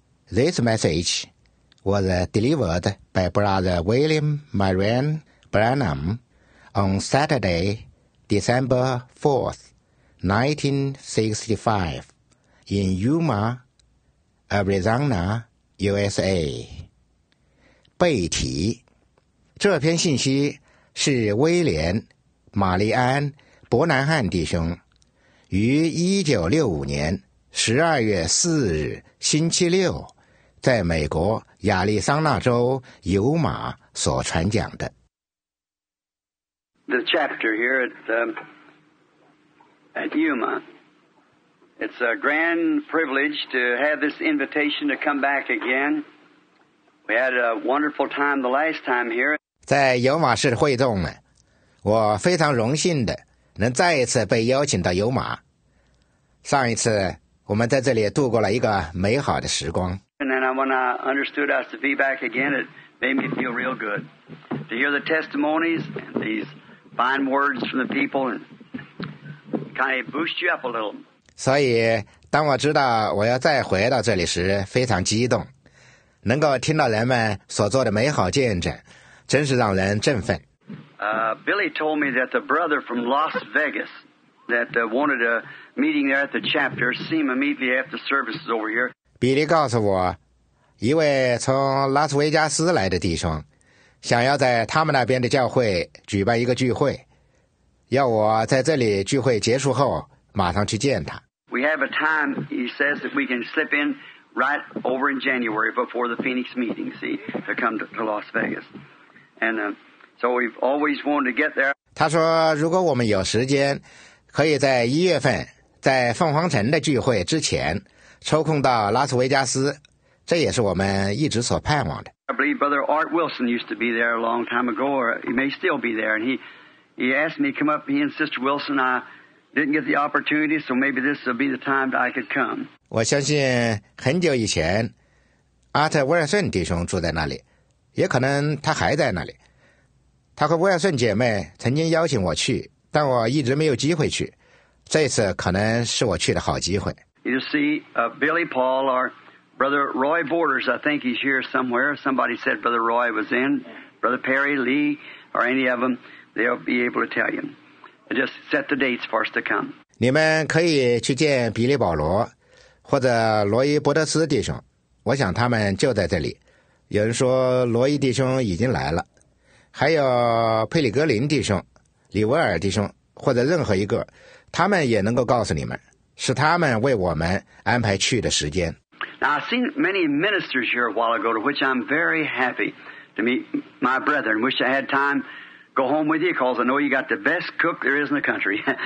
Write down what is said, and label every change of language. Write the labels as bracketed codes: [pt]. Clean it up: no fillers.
[en] This message was delivered by Brother William Marion Branham on Saturday, December 4th, 1965, in Yuma, Arizona, USA. [zh] 背题，这篇信息是威廉·玛丽安·伯南汉弟兄于1965年12月4日星期六在美国亚利桑那州尤马所传讲的。 [en] The chapter here at Yuma. It's a grand privilege to have this invitation to come back again. We had a wonderful time the last time here. [zh] 在尤马市会众呢，我非常荣幸的能再一次被邀请到尤马。上一次我们在这里度过了一个美好的时光。 [en] And then when I understood us to be back again, it made me feel real good to hear the testimonies and these fine words from the people, and kind of boost you up a little. [zh] 所以，当我知道我要再回到这里时，非常激动。能够听到人们所做的美好见证，真是让人振奋。 [en] Billy told me that the brother from Las Vegas that wanted a meeting there at the chapter see him immediately after service is over here. [zh] 比利告诉我，一位从拉斯维加斯来的弟兄，想要在他们那边的教会举办一个聚会，要我在这里聚会结束后马上去见他。 [en] We have a time, he says, that we can slip in. Right over in January before the Phoenix meeting, see, to come to Las Vegas. And so we've always wanted to get there. [zh] 他说如果我们有时间可以在一月份在凤凰城的聚会之前抽空到拉斯维加斯，这也是我们一直所盼望的。 [en] I believe Brother Art Wilson used to be there a long time ago, or he may still be there. And he asked me to come up, he and Sister Wilson, I didn't get the opportunity, so maybe this will be the time that I could come. [zh] 我相信很久以前阿特威尔逊弟兄住在那里，也可能他还在那里。他和威尔逊姐妹曾经邀请我去，但我一直没有机会去。这次可能是我去的好机会。 [en] You see, Billy Paul or Brother Roy Borders, I think he's here somewhere. Somebody said Brother Roy was in. Brother Perry, Lee, or any of them, they'll be able to tell you. Just set the dates for us to come. [zh] 你们可以去见比利保罗。或者罗伊伯德斯弟兄，我想他们就在这里。有人说罗伊弟兄已经来了，还有佩里格林弟兄、李维尔弟兄，或者任何一个，他们也能够告诉你们，是他们为我们安排去的时间。 [en] Now, I've seen many ministers here a while ago, to which I'm very happy to meet my brethren. Wish I had time to go home with you, because I know you got the best cook there is in the country.